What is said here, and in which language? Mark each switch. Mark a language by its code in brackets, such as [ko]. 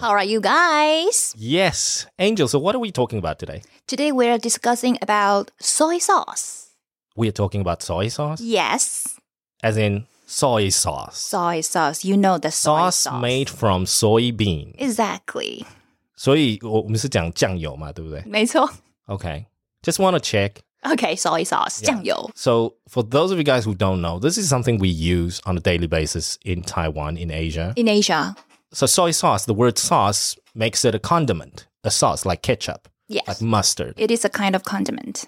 [en] How are you guys? Yes, Angel, so what are we talking about today? Today we're discussing about soy sauce. We're talking about soy sauce? Yes. As in soy sauce. Soy sauce, you know the soy sauce. Sauce made from soybean. Exactly. [zh] 所以我们是讲酱油嘛，对不对？没错。 [en] Okay, just want to check. Okay, soy sauce, 酱油. So for those of you guys who don't know, this is something we use on a daily basis in Taiwan, in Asia. In Asia. So soy sauce, the word sauce makes it a condiment, a sauce like ketchup. Yes. Like mustard. It is a kind of condiment.